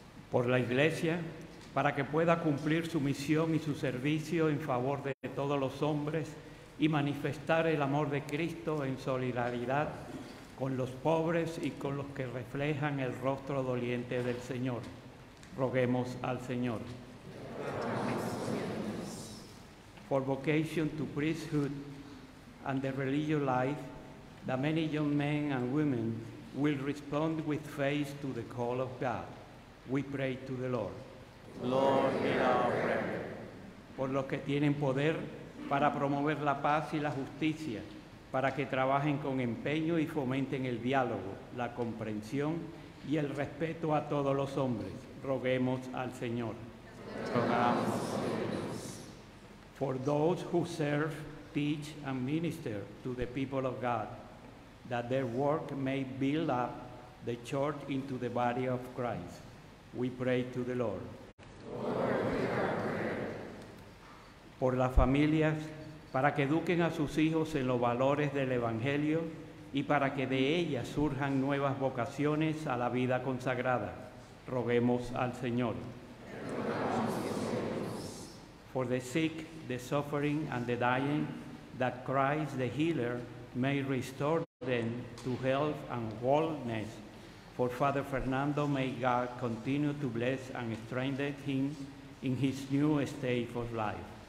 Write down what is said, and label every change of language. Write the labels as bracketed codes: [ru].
[es] por la iglesia para que pueda cumplir su misión y su servicio en favor de todos los hombres y manifestar el amor de Cristo en solidaridad con los pobres y con los que reflejan el rostro doliente del Señor. Roguemos al Señor. [en] For vocation to priesthood and the religious life, that many young men and women will respond with faith to the call of God. We pray to the Lord. Lord, hear our prayer. [es] Por los que tienen poder para promover la paz y la justicia, para que trabajen con empeño y fomenten el diálogo, la comprensión y el respeto a todos los hombres. Roguemos al Señor. Rogamos. [en] For those who serve, teach, and minister to the people of God, that their work may build up the church into the body of Christ. We pray to the Lord. [es] Por las familias, para que eduquen a sus hijos en los valores del Evangelio y para que de ellas surjan nuevas vocaciones a la vida consagrada. Roguemos al Señor. [en] For the sick, the suffering, and the dying, that Christ the healer may restore them to health and wholeness. For Father Fernando, may God continue to bless and strengthen him in his new state of life.